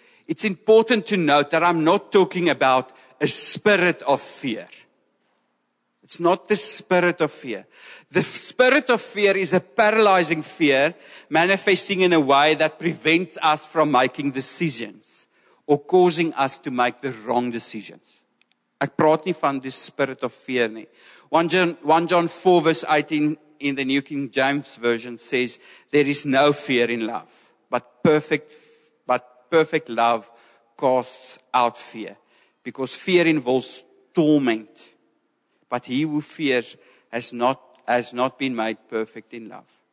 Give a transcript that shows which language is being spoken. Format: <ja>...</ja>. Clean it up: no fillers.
<en>It's important to note that I'm not talking about a spirit of fear. It's not the spirit of fear. The spirit of fear is a paralyzing fear manifesting in a way that prevents us from making decisions or causing us to make the wrong decisions.</en> <af>Ek praat nie van die</af> <en>spirit of fear</en> <af>nie.</af> <en>1 John 4 verse 18 in the New King James Version says, there is no fear in love, but perfect love casts out fear, because fear involves torment. But he who fears has not been made perfect in love.</en>